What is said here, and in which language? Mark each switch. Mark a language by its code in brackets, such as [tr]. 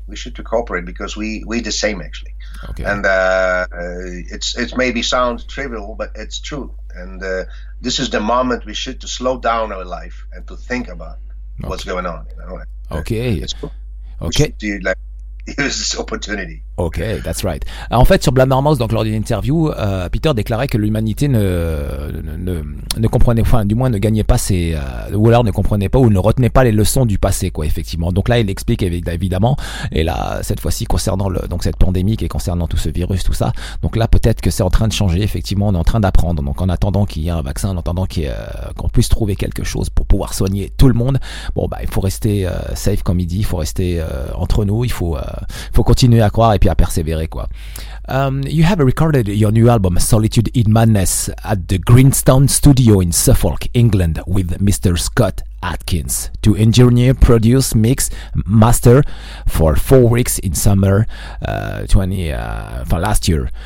[en] We should to cooperate because we the same, actually. Okay. And it maybe sound trivial, but it's true. And this is the moment we should to slow down our life and to think about what's going on. You know? Okay. We should do, like, use this opportunity. Ok, that's right. [fr] En fait, sur Blood Normals, donc lors d'une interview, Peter déclarait que l'humanité ne comprenait, enfin, du moins, ne gagnait pas ses, ou alors ne comprenait pas ou ne retenait pas les leçons du passé, quoi, effectivement. Donc là, il explique évidemment, et là, cette fois-ci, concernant donc cette pandémie qui est concernant tout ce virus, tout ça. Donc là, peut-être que c'est en train de changer, effectivement, on est en train d'apprendre. Donc en attendant qu'il y ait un vaccin, en attendant qu'on puisse trouver quelque chose pour pouvoir soigner tout le monde, bon, bah, il faut rester safe, comme il dit, il faut rester entre nous, il faut continuer à croire. Et puis à persévérer quoi. [en] You have recorded your new album Solitude in Madness at the Greenstone Studio in Suffolk, England with Mr. Scott Adkins to engineer, produce, mix, master for 4 weeks in summer for last year.